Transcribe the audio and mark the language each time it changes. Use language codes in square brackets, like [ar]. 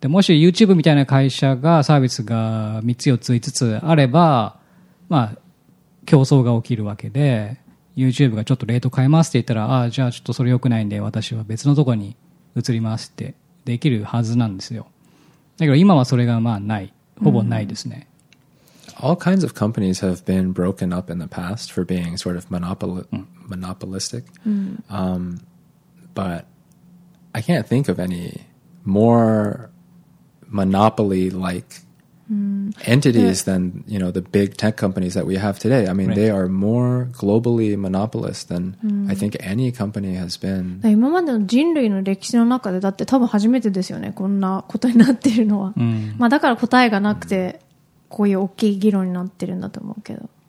[ja] でもし YouTube みたいな会社がサービスが3つ4つ5つあればまあ競争が起きるわけで YouTube がちょっとレート変えますって言ったらああじゃあちょっとそれ良くないんで私は別のとこに移りますってできるはずなんですよだけど今はそれがまあないほぼないですね。 [en] All kinds of companies have been broken up in the past for being sort of monopolistic. But I can't think of any more monopoly-like entities than, you know, the big tech companies that we have today. I mean, they are more globally monopolist than I think any company has been. [ja] 今までの人類の歴史の中でだって多分初めてですよね。こんなことになってるのは。まあだから答えがなくてこういう大きい議論になってるんだと思うけど。